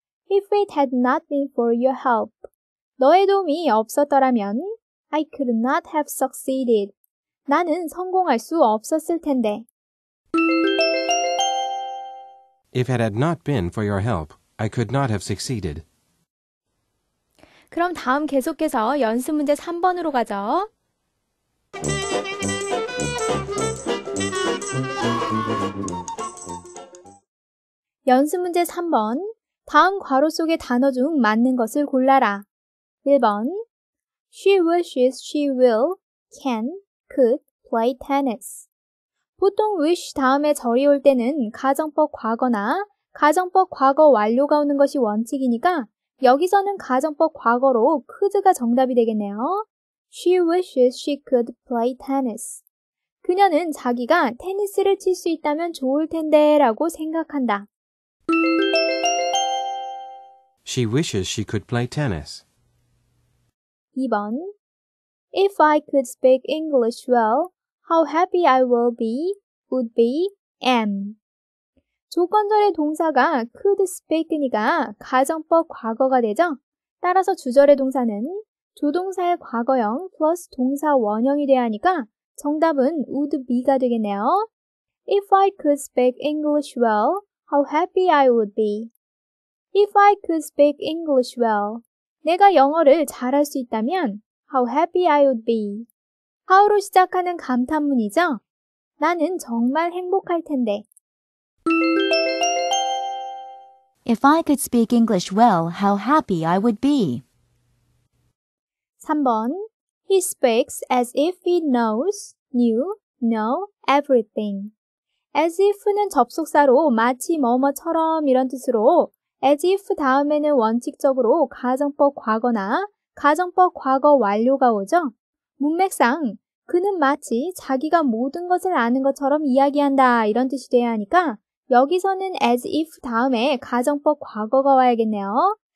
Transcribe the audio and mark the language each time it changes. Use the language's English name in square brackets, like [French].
[English] If it had not been for your help, [Korean] 너의 도움이 없었더라면 [English] I could not have succeeded. [Korean] 나는 성공할 수 없었을 텐데. [English] If it had not been for your help, I could not have succeeded. [Korean] 그럼 다음 계속해서 연습 문제 3번으로 가죠. 연습 문제 3번. 다음 괄호 속의 단어 중 맞는 것을 골라라. 1번. [English] She wishes she will, can, could play tennis. [Korean] 보통 wish 다음에 절이 올 때는 가정법 과거나 가정법 과거 완료가 오는 것이 원칙이니까 여기서는 가정법 과거로 could가 정답이 되겠네요. [English] She wishes she could play tennis. [Korean] 그녀는 자기가 테니스를 칠 수 있다면 좋을 텐데 라고 생각한다. [English] She wishes she could play tennis. [Korean] 2번. [English] If I could speak English well, how happy I will be, would be, am. [Korean] 조건절의 동사가 could speak니까 가정법 과거가 되죠? 따라서 주절의 동사는 조동사의 과거형 플러스 동사 원형이 돼야 하니까 정답은 would be가 되겠네요. [English] If I could speak English well, how happy I would be. If I could speak English well, [Korean] 내가 영어를 잘할 수 있다면 [English] how happy I would be. [Korean] How로 시작하는 감탄문이죠? 나는 정말 행복할 텐데. [English] If I could speak English well, how happy I would be. [Korean] 3번. [English] He speaks as if he knows, knew, know everything. [Korean] As if는 접속사로 마치 뭐뭐처럼 이런 뜻으로 as if 다음에는 원칙적으로 가정법 과거나 가정법 과거 완료가 오죠. 문맥상 그는 마치 자기가 모든 것을 아는 것처럼 이야기한다 이런 뜻이 돼야 하니까 여기서는 as if 다음에 가정법 과거가 와야겠네요.